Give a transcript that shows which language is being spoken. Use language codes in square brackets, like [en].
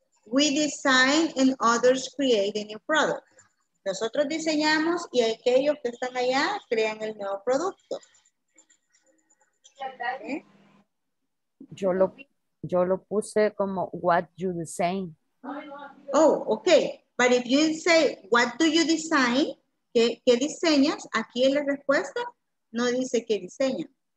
[en] We design and others create a new product. [es] Nosotros diseñamos y aquellos que están allá crean el nuevo producto. ¿Eh? Yo lo puse como [en] what you design. Oh, okay. But if you say, what do you design? [es] ¿Qué diseñas? Aquí en la respuesta no dice qué diseña.